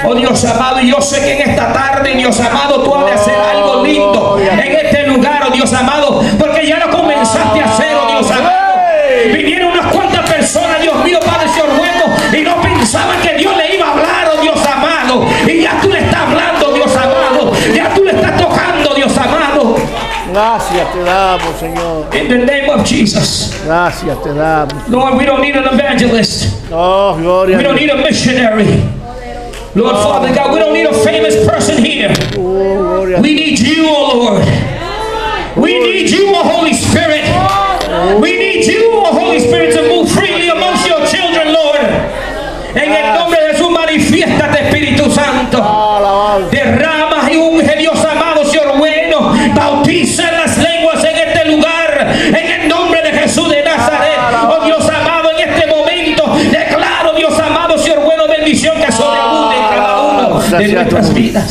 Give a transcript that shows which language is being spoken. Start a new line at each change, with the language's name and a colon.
Spanish: oh Dios amado, y yo sé que en esta tarde, Dios amado, tú has de hacer algo lindo en este lugar, oh Dios amado, porque ya lo comenzaste a hacer, oh Dios amado. Vinieron unas cuantas personas, Dios mío, Padre, se orgullo, y no pensaban que Dios le iba a hablar, oh Dios amado, y ya tú le estás hablando, Dios amado, ya tú le estás tocando, Dios amado. Gracias te damos, Señor.
English: In the name of Jesus.
Spanish: Gracias te damos.
English: Lord, we don't need an evangelist.
Spanish: Oh, gloria.
English: We don't need a missionary. Lord, oh, Father God, we don't need a famous person here.
Spanish: Oh, gloria.
English: We need you, oh Lord. We need you, oh Holy Spirit. We need you, oh Holy Spirit, to move freely amongst your children, Lord.
Spanish: En el nombre de Jesús, manifiéstate, Espíritu Santo. Derrama y unge, Dios amado, Señor bueno. Bautiza las lenguas en este lugar. En el nombre de Jesús de Nazaret. Oh Dios amado, en este momento declaro, Dios amado, Señor bueno, bendición que sobre abunde en cada uno de nuestras vidas.